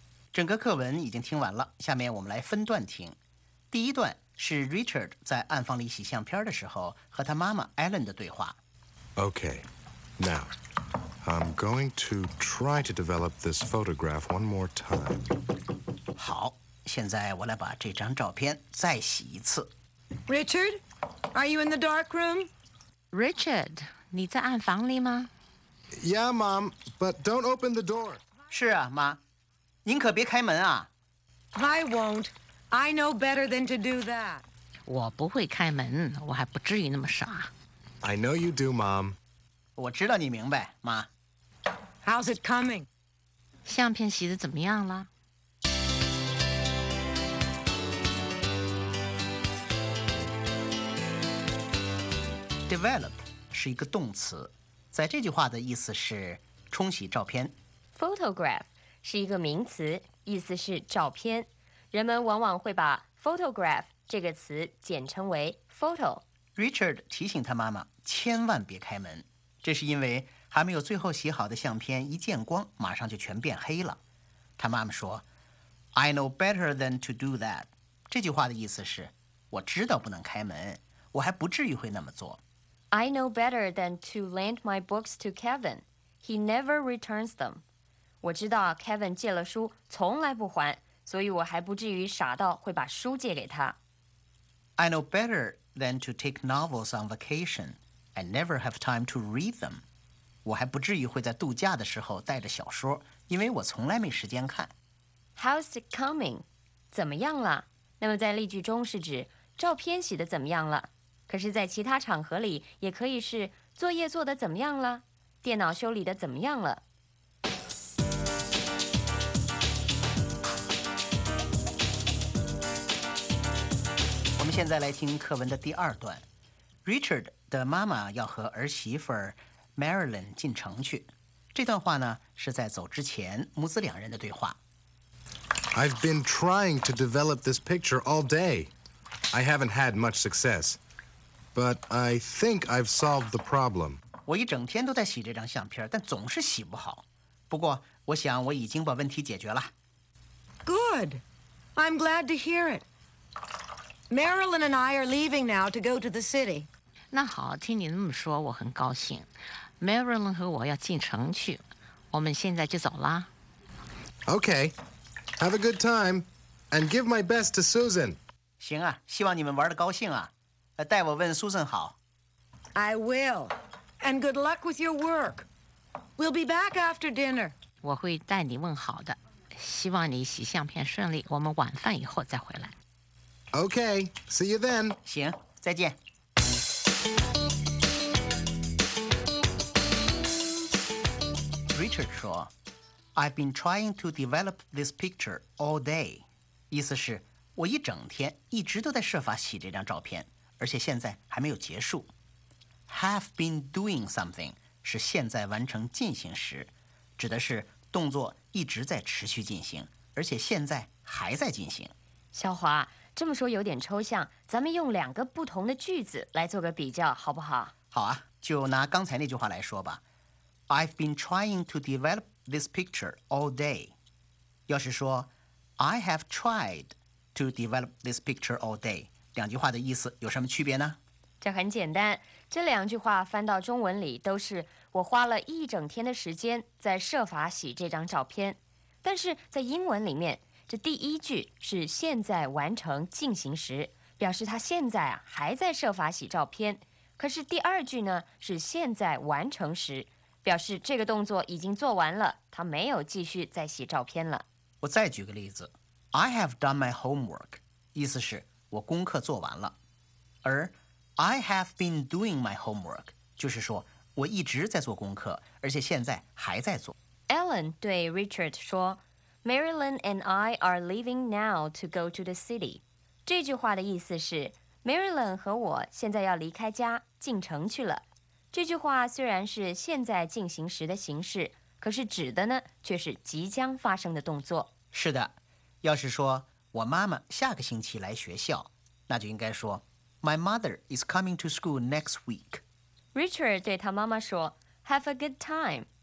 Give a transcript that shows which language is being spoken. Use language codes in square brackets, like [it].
[zh] 整个课文已经听完了，下面我们来分段听。第一段是 Richard 在暗房里洗相片的时候和他妈妈 Ellen 的对话。 [en] Okay, now... I'm going to try to develop this photograph one more time. [zh] 好，现在我来把这张照片再洗一次。 [en] Richard, are you in the dark room? [zh] Richard, 你在暗房里吗？ [en] Yeah, Mom, but don't open the door. [zh] 是啊，妈，您可别开门啊。 [en] I won't. I know better than to do that. [zh] 我不会开门，我还不至于那么傻。 [en] I know you do, Mom. [zh] 我知道你明白，妈。 [en] How's it coming? [zh] 相片洗得怎么样了？ Develop 是一个动词，在这句话的意思是冲洗照片。 Photograph 是一个名词，意思是照片。人们往往会把 photograph 这个词简称为 photo。 Richard 提醒他妈妈千万别开门，这是因为还没有最后洗好的相片一见光马上就全变黑了。他妈妈说 I know better than to do that，这句话的意思是我知道不能开门，我还不至于会那么做。 [en] I know better than to lend my books to Kevin， he never returns them。 [zh] 我知道 Kevin 借了书从来不还，所以我还不至于傻到会把书借给他。 [en] I know better than to take novels on vacation， I never have time to read them。 [zh] 我还不至于会在度假的时候带着小说，因为我从来没时间看。 [en] How's it coming？怎么样了？ [zh] 那么在例句中是指照片洗得怎么样了，可是在其他场合里也可以是作业做得怎么样了，电脑修理得怎么样了。我们现在来听课文的第二段。Richard 的妈妈要和儿媳妇儿Marilyn 进城去，这段话呢是在走之前母子两人的对话。 [en] I've been trying to develop this picture all day. I haven't had much success, but I think I've solved the problem. [zh] 我一整天都在洗这张相片，但总是洗不好。不过，我想我已经把问题解决了。 [en] Good. I'm glad to hear it. Marilyn and I are leaving now to go to the city. [zh] 那好，听你那么说我很高兴。Marilyn 和我要进城去，我们现在就走啦。 [en] OK, have a good time and give my best to Susan. [zh] 行啊，希望你们玩得高兴啊，代我问 Susan 好。 [en] I will, and good luck with your work. We'll be back after dinner. [zh] 我会代你问好的，希望你洗相片顺利，我们晚饭以后再回来。 [en] OK, see you then. [zh] 行，再见。 [en] Richard 说 I've been trying to develop this picture all day. [zh] 意思是我一整天一直都在设法洗这张照片，而且现在还没有结束。 Have been doing something 是现在完成进行时，指的是动作一直在持续进行，而且现在还在进行。小华，这么说有点抽象，咱们用两个不同的句子来做个比较好不好？好啊，就拿刚才那句话来说吧。 [en] I've been trying to develop this picture all day. [zh] 要是说 I have tried to develop this picture all day, 两句话的意思有什么区别呢？这很简单，这两句话翻到中文里都是我花了一整天的时间在设法洗这张照片。但是在英文里面，这第一句是现在完成进行时，表示他现在还在设法洗照片。可是第二句呢，是现在完成时，表示这个动作已经做完了，他没有继续再洗照片了。我再举个例子 ， I have done my homework，意思是我功课做完了。而 I have been doing my homework，就是说我一直在做功课，而且现在还在做。 [en] Ellen 对 Richard 说 ，Marilyn and I are leaving now to go to the city。 [zh] 这句话的意思是 ，Marilyn 和我现在要离开家进城去了。这句话虽然是现在进行时的形式，可是指的呢却是即将发生的动作。是的，要是说我妈妈下个星期来学校，那就应该说 My mother is coming to school next week. [en] Richard 对他妈妈说 Have a good time.